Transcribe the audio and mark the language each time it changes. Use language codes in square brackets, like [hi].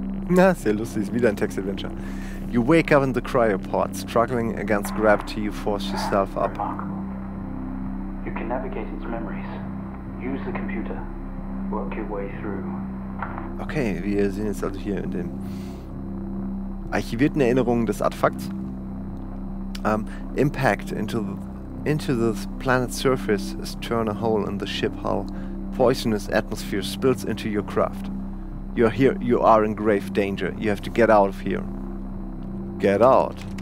[de] Na, sehr lustig, ist wieder ein Text-Adventure. [en] You wake up in the cryopod, struggling against gravity, you force yourself up. You can navigate its memories. Use the computer. Work your way through. [de] Okay, wir sehen jetzt also hier in den archivierten Erinnerungen des Artefakts. [en] Impact into the planet's surface is turn a hole in the ship hull. Poisonous atmosphere spills into your craft. You're here, you are in grave danger. You have to get out of here. Get out.